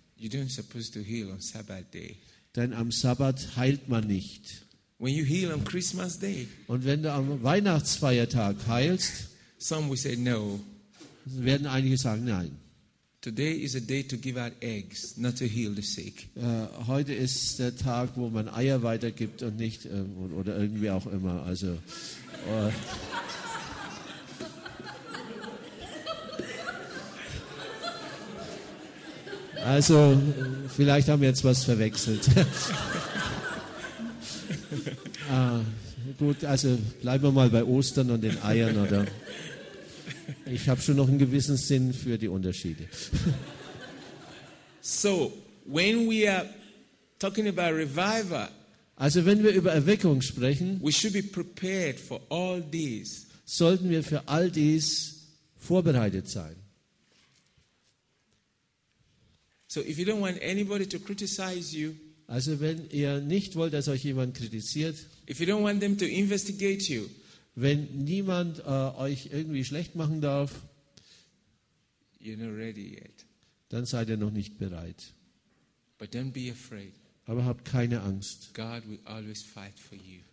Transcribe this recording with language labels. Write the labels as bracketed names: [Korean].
[English] You don't supposed to heal on Sabbath day. [German] Denn am Sabbat heilt man nicht. [English] When you heal on Christmas day, [German] und wenn du am Weihnachtsfeiertag heilst, [English] some will say no. [German] Werden einige sagen, nein. [English] Today is a day to give out eggs, not to heal the sick. [German] Heute ist der Tag, wo man Eier weitergibt und nicht oder irgendwie auch immer. Also. Also vielleicht haben wir jetzt was verwechselt. gut, also bleiben wir mal bei Ostern und den Eiern, oder? Ich habe schon noch einen gewissen Sinn für die Unterschiede. [English] So, when we are talking about revival, [German] also wenn wir über Erweckung sprechen, [English] we should be prepared for all this. [German] Sollten wir für all dies vorbereitet sein. [English] So, if you don't want anybody to criticize you, [German] also wenn ihr nicht wollt, dass euch jemand kritisiert, [English] if you don't want them to investigate you, [German] wenn niemand euch irgendwie schlecht machen darf, [English] you're not ready yet. [German] Dann seid ihr noch nicht bereit. [English] But don't be afraid. [German] Aber habt keine Angst. [English] God will always fight for you.